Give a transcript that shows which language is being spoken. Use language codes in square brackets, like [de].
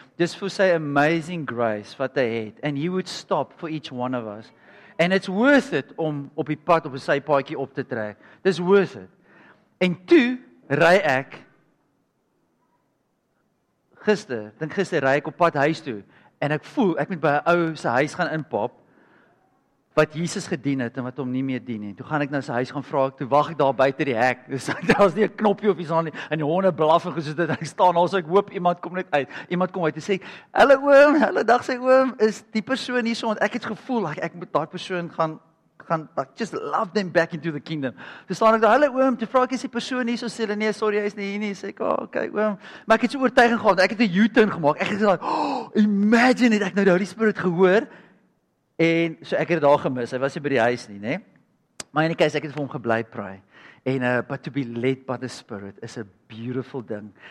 [af] Dis vir sy [en] amazing grace [af] wat hy het, [en] and he would stop for each one of us. And it's worth it [af] om op die pad op sy paadjie op te trek. Dis [en] worth it. [af] En toe ry ek gister ry ek op pad huis toe en ek voel ek moet by 'n ou se huis gaan inpop wat Jesus gedien het en wat hom nie meer dien nie. Toe gaan ek na sy huis gaan vra, toe wag ek daar buite die hek. Daar's nie 'n knoppie of iets aan nie. En die honde blaf en gesit het. Ek staan daar, so ek hoop iemand kom net uit. Iemand kom uit en sê, "Hallo oom, hallo dag sy oom, is die persoon hier so?" Want ek het gevoel like ek moet daai persoon gaan like, [en] just love them back into the kingdom. [af] Toe staan ek daar, "Hallo oom," toe vra ek, "Is die persoon hier so?" Sê hulle, "Nee, sorry, hy is nie hier nie." Sê ek, "Oh, okay oom." Maar ek het so oortuiging gehad. Ek het 'n U-turn gemaak. Ek het gesê, "Oh, imagine het ek nou die Holy Spirit gehoor." En so ek het dit daar gemis. Hy was nie by die huis nie, né? Maar in die case ek het vir hom gebly pray. [en] En but to be led by the Spirit is a beautiful thing.